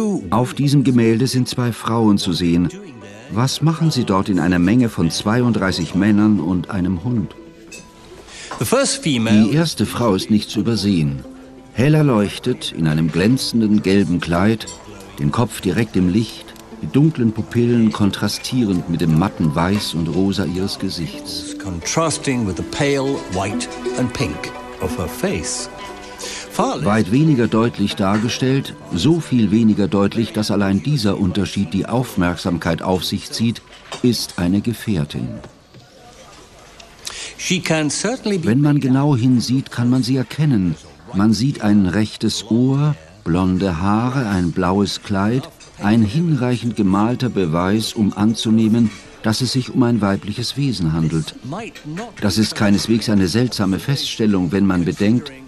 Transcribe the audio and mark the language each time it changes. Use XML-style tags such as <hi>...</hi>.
<de>Auf diesem Gemälde sind zwei Frauen zu sehen. Was machen sie dort in einer Menge von 32 Männern und einem Hund? Die erste Frau ist nicht zu übersehen. Hell erleuchtet, in einem glänzenden gelben Kleid, den Kopf direkt im Licht, die dunklen Pupillen kontrastierend mit dem matten Weiß und Rosa ihres Gesichts.</de> <en>Contrasting with the pale white and pink of her face.</en> <de>Weit weniger deutlich dargestellt, so viel weniger deutlich, dass allein dieser Unterschied die Aufmerksamkeit auf sich zieht, ist eine Gefährtin. Wenn man genau hinsieht, kann man sie erkennen. Man sieht ein rechtes Ohr, blonde Haare, ein blaues Kleid, ein hinreichend gemalter Beweis, um anzunehmen, dass es sich um ein weibliches Wesen handelt. Das ist keineswegs eine seltsame Feststellung, wenn man bedenkt,</de>